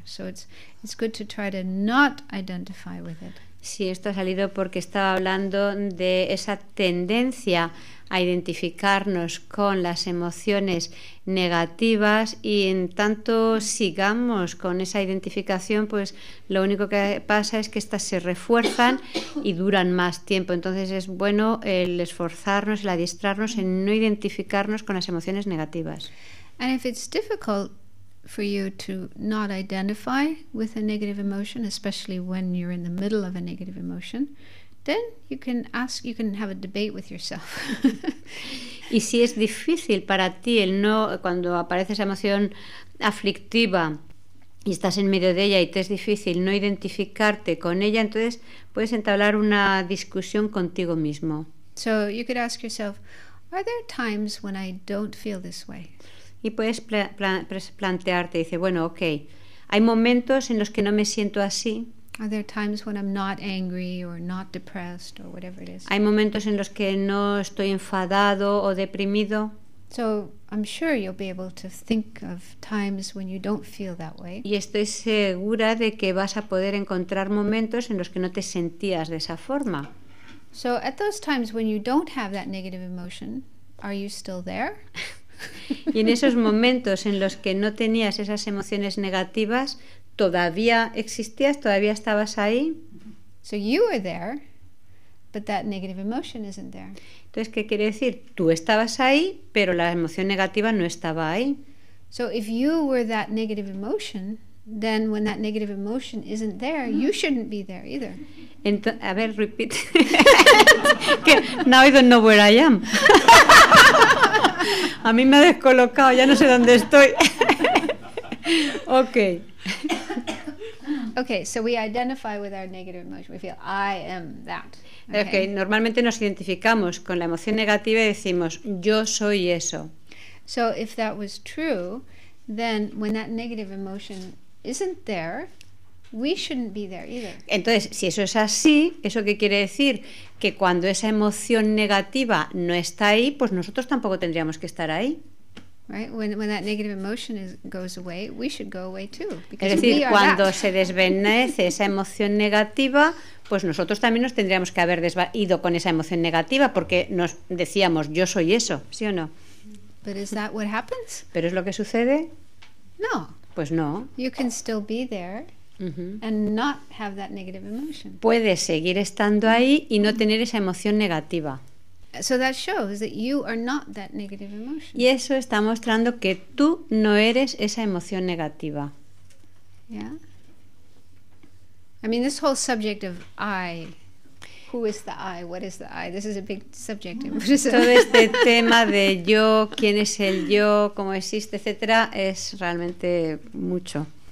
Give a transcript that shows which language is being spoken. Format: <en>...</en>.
<en>So it's good to try to not identify with it.</en> <es>Sí, esto ha salido porque estaba hablando de esa tendencia a identificarnos con las emociones negativas, y en tanto sigamos con esa identificación, pues lo único que pasa es que estas se refuerzan y duran más tiempo. Entonces es bueno el esforzarnos, el adiestrarnos en no identificarnos con las emociones negativas.</es> <en>And if it's difficult for you to not identify with a negative emotion, especially when you're in the middle of a negative emotion, then you can have a debate with yourself.</en> <es>Y si es difícil para ti el no, cuando aparece esa emoción aflictiva y estás en medio de ella y te es difícil no identificarte con ella, entonces puedes entablar una discusión contigo mismo.</es> <en>So you could ask yourself, are there times when I don't feel this way?</en> <es>Y puedes plantearte, dice, bueno, okay, hay momentos en los que no me siento así.</es> <en>Are there times when I'm not angry or not depressed or whatever it is?</en> <es>Hay momentos en los que no estoy enfadado o deprimido.</es> <en>So I'm sure you'll be able to think of times when you don't feel that way.</en> <es>Y estoy segura de que vas a poder encontrar momentos en los que no te sentías de esa forma.</es> <en>So at those times when you don't have that negative emotion, are you still there?</en> <es>Y en esos momentos en los que no tenías esas emociones negativas, ¿todavía existías? ¿Todavía estabas ahí?</es> <en>So you were there, but that negative emotion isn't there.</en> <es>Entonces, ¿qué quiere decir? Tú estabas ahí, pero la emoción negativa no estaba ahí.</es> <en>So if you were that negative emotion, then when that negative emotion isn't there, you shouldn't be there either.</en> <es>A ver, repeat.</es> <en>Que now I don't know where I am.</en> <es>A mí me ha descolocado, ya no sé dónde estoy.</es> <en>Okay. Okay, so we identify with our negative emotion. We feel I am that. Okay.</en> <es>Okay, normalmente nos identificamos con la emoción negativa y decimos yo soy eso.</es> <en>So if that was true, then when that negative emotion isn't there, we shouldn't be there either.</en> <es>Entonces, si eso es así, ¿eso qué quiere decir? Que cuando esa emoción negativa no está ahí, pues nosotros tampoco tendríamos que estar ahí.</es> <en>Right? When that negative emotion is, goes away, we should go away too.</en> <es>Es decir, cuando se desvanece esa emoción negativa, pues nosotros también nos tendríamos que haber ido con esa emoción negativa porque nos decíamos, yo soy eso, ¿sí o no?</es> <en>But is that what happens?</en> <es>¿Pero es lo que sucede?</es> <en>No.</en> <es>Pues no.</es> <en>You can still be there and not have that negative emotion.</en> <es>Puedes seguir estando ahí y no tener esa emoción negativa.</es> <en>So that shows that you are not that negative emotion.</en> <es>Y eso está mostrando que tú no eres esa emoción negativa.</es> <en>Yeah. I mean, this whole subject of I, who is the I, what is the I, this is a big subject in Buddhism.</en> <es>Todo este tema de yo, quién es el yo, cómo existe, etcétera, es realmente mucho.</es>